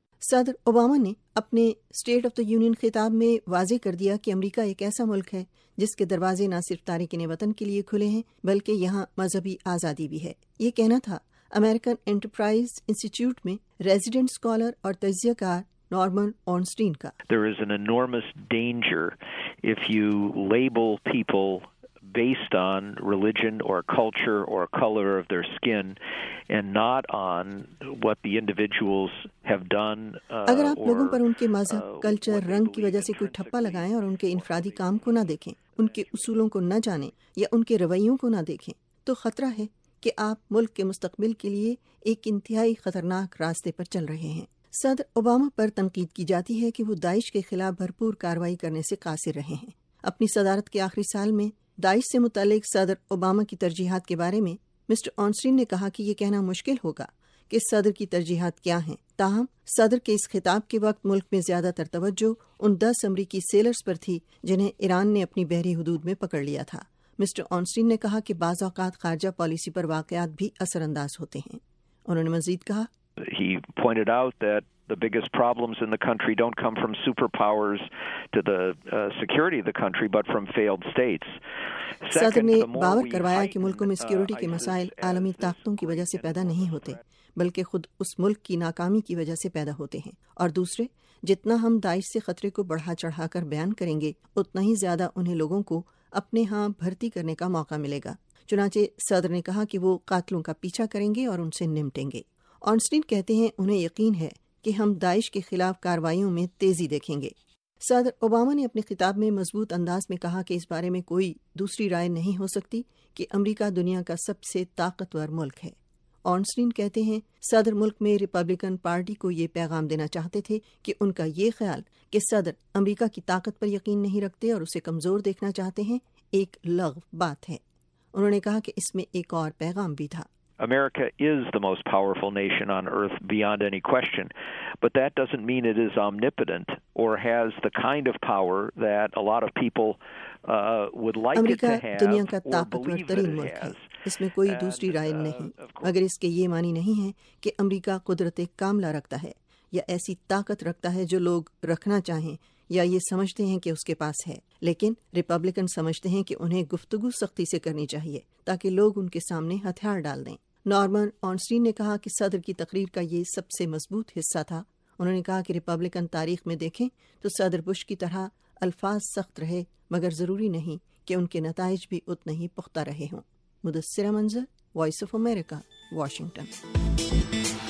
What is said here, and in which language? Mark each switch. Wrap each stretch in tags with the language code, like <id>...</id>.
<ur>صدر اوباما نے اپنے اسٹیٹ آف دا یونین خطاب میں واضح کر دیا کہ امریکہ ایک ایسا ملک ہے جس کے دروازے نہ صرف تارکین وطن کے لیے کھلے ہیں بلکہ یہاں مذہبی آزادی بھی ہے۔ یہ کہنا تھا امریکن انٹرپرائز انسٹیٹیوٹ میں ریزیڈنٹ اسکالر اور تجزیہ کار نارمن اورنسٹین کا۔</ur> <en>There is an enormous danger if you label people based on religion or culture or color of their skin and not on what the individuals have done</en> <ur>اگر آپ لوگوں پر ان کے مذہب، culture, رنگ کی وجہ سے کوئی ٹھپا لگائیں اور ان کے انفرادی کام کو نہ دیکھیں، ان کے اصولوں کو نہ جانیں یا ان کے رویوں کو نہ دیکھیں، تو خطرہ ہے کہ آپ ملک کے مستقبل کے لیے ایک انتہائی خطرناک راستے پر چل رہے ہیں۔ صدر اوباما پر تنقید کی جاتی ہے کہ وہ داعش کے خلاف بھرپور کارروائی کرنے سے قاصر رہے ہیں۔ اپنی صدارت کے آخری سال میں داعش سے متعلق صدر اوباما کی ترجیحات کے بارے میں مسٹر آنسرین نے کہا کہ یہ کہنا مشکل ہوگا کہ صدر کی ترجیحات کیا ہیں۔ تاہم صدر کے اس خطاب کے وقت ملک میں زیادہ تر توجہ ان 10 امریکی سیلرز پر تھی جنہیں ایران نے اپنی بحری حدود میں پکڑ لیا تھا۔ مسٹر آنسرین نے کہا کہ بعض اوقات خارجہ پالیسی پر واقعات بھی اثر انداز ہوتے ہیں۔ انہوں نے مزید کہا</ur> <en>He pointed out that the biggest problems in the country don't come from superpowers to the security of the country but from failed states.</en> <ur>صدر نے باور کروایا کہ ملک میں سیکیورٹی کے مسائل عالمی طاقتوں کی وجہ سے پیدا نہیں ہوتے بلکہ خود اس ملک کی ناکامی کی وجہ سے پیدا ہوتے ہیں، اور دوسرے، جتنا ہم داعش سے خطرے کو بڑھا چڑھا کر بیان کریں گے اتنا ہی زیادہ انہیں لوگوں کو اپنے ہاں بھرتی کرنے کا موقع ملے گا۔ چنانچہ صدر نے کہا کہ وہ قاتلوں کا پیچھا کریں گے اور ان سے نمٹیں گے۔ آنسٹین کہتے ہیں انہیں یقین ہے کہ ہم داعش کے خلاف کارروائیوں میں تیزی دیکھیں گے۔ صدر اوباما نے اپنے خطاب میں مضبوط انداز میں کہا کہ اس بارے میں کوئی دوسری رائے نہیں ہو سکتی کہ امریکہ دنیا کا سب سے طاقتور ملک ہے۔ آنسٹین کہتے ہیں صدر ملک میں ریپبلکن پارٹی کو یہ پیغام دینا چاہتے تھے کہ ان کا یہ خیال کہ صدر امریکہ کی طاقت پر یقین نہیں رکھتے اور اسے کمزور دیکھنا چاہتے ہیں ایک لغو بات ہے۔ انہوں نے کہا کہ اس میں ایک اور پیغام بھی تھا۔</ur> <en>America is the most powerful nation on earth beyond any question, but that doesn't mean it is omnipotent or has the kind of power that a lot of people would like America it to have.</en> <ur>دنیا کا طاقتور ترین ملک ہے، اس میں کوئی دوسری رائے نہیں، اگر اس کے یہ معنی نہیں ہے کہ امریکہ قدرت کاملہ رکھتا ہے یا ایسی طاقت رکھتا ہے جو لوگ رکھنا چاہیں یا یہ سمجھتے ہیں کہ اس کے پاس ہے، لیکن ریپبلکن سمجھتے ہیں کہ انہیں گفتگو سختی سے کرنی چاہیے تاکہ لوگ ان کے سامنے ہتھیار ڈال دیں۔ نارمن آنسٹین نے کہا کہ صدر کی تقریر کا یہ سب سے مضبوط حصہ تھا۔ انہوں نے کہا کہ ریپبلکن تاریخ میں دیکھیں تو صدر بش کی طرح الفاظ سخت رہے، مگر ضروری نہیں کہ ان کے نتائج بھی اتنے ہی پختہ رہے ہوں۔ مدثرہ منظر، وائس آف امریکہ، واشنگٹن۔</ur>